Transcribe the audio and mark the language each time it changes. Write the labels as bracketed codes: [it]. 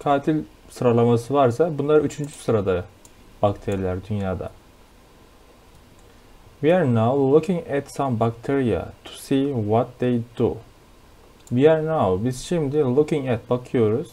[tr] Katil sıralaması varsa bunlar üçüncü sırada bakteriler dünyada. [en] We are now looking at some bacteria to see what they do. We are now, [tr] biz şimdi [en] looking at [tr] bakıyoruz.